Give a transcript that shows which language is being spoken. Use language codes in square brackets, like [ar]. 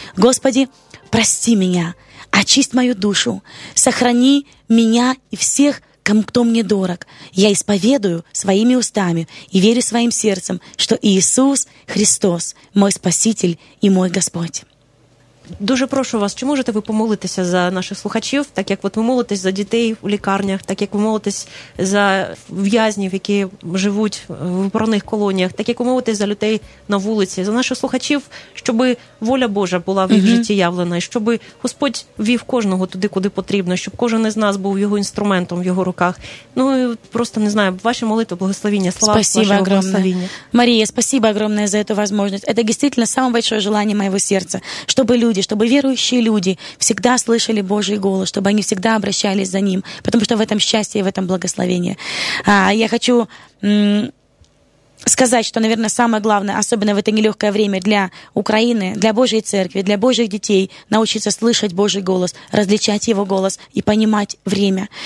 [ru] Господи, прости меня, очисть мою душу, сохрани меня и всех, кто мне дорог. Я исповедую своими устами и верю своим сердцем, что Иисус Христос – мой Спаситель и мой Господь. [uk] Дуже прошу вас, чи можете ви помолитися за наших слухачів, так як от ви молитесь за дітей у лікарнях, так як ви молитесь за в'язнів, які живуть в виправних колоніях, так як ви молитесь за людей на вулиці, за наших слухачів, щоб воля Божа була в їх житті явлена, і щоб Господь вів кожного туди, куди потрібно, щоб кожен із нас був його інструментом в його руках. Ну, і просто не знаю, ваші молитви, благословіння, слава вашого благословіння. [ru] Марія, спасибо огромное за эту возможность. Это действительно самое большое желание моего сердца, чтобы люди, чтобы верующие люди всегда слышали Божий голос, чтобы они всегда обращались за Ним, потому что в этом счастье и в этом благословение. Я хочу сказать, что, наверное, самое главное, особенно в это нелегкое время для Украины, для Божьей Церкви, для Божьих детей, научиться слышать Божий голос, различать Его голос и понимать время.